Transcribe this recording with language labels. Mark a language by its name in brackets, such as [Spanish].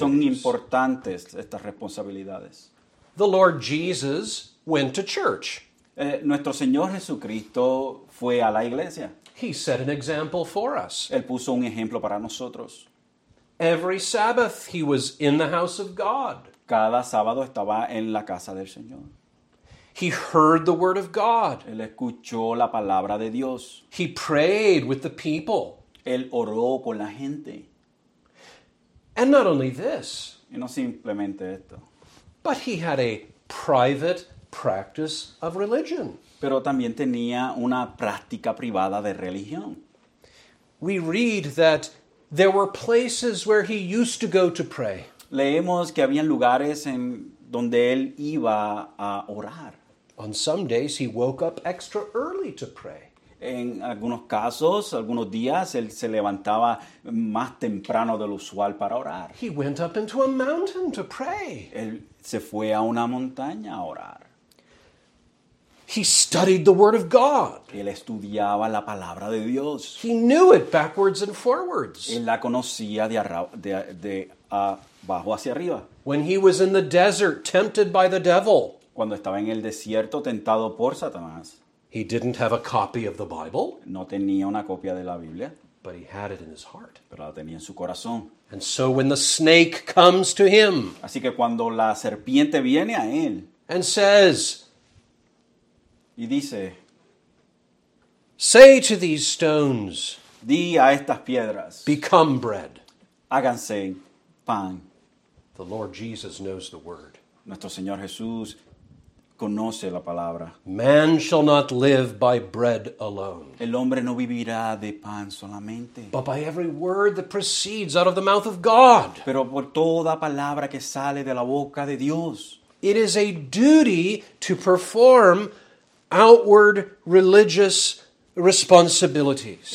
[Spanish] Son importantes estas responsabilidades. [English] The Lord Jesus went to church. [Spanish] Nuestro Señor Jesucristo fue a la iglesia. [English] He set an example for us. [Spanish] Él puso un ejemplo para nosotros. [English] Every Sabbath he was in the house of God. [Spanish] Cada sábado estaba en la casa del Señor. [English] He heard the word of God. [Spanish] Él escuchó la palabra de Dios. [English] He prayed with the people. [Spanish] Él oró con la gente. [English] And not only this. [Spanish] Y no simplemente esto. [English] But he had a private practice of religion. [Spanish] Pero también tenía una práctica privada de religión. [English] We read that there were places where he used to go to pray. [Spanish] Leemos que había lugares en donde él iba a orar. [English] On some days he woke up extra early to pray. [Spanish] En algunos casos, algunos días, él se levantaba más temprano de lo usual para orar. [English] He went up into a mountain to pray. [Spanish] Él se fue a una montaña a orar. [English] He studied the word of God. [Spanish] Él estudiaba la palabra de Dios. [English] He knew it backwards and forwards. [Spanish] Él la conocía de abajo hacia arriba. [English] When he was in the desert, tempted by the devil. [Spanish] Cuando estaba en el desierto, tentado por Satanás. [English] He didn't have a copy of the Bible. [Spanish] No tenía una copia de la Biblia. [English] But he had it in his heart. [Spanish] Pero lo tenía en su corazón. [English] And so when the snake comes to him, [Spanish] así que cuando la serpiente viene a él, [English] and says, [Spanish] y dice, [English] say to these stones, [Spanish] di a estas piedras, [English] become bread, [Spanish] háganse pan. [English] The Lord Jesus knows the word. [Spanish] Nuestro Señor Jesús conoce la palabra. [English] Man shall not live by bread alone. [Spanish] El hombre no vivirá de pan solamente. [English] But by every word that proceeds out of the mouth of God. [Spanish] Pero por toda palabra que sale de la boca de Dios. [English] It is a duty to perform outward religious responsibilities.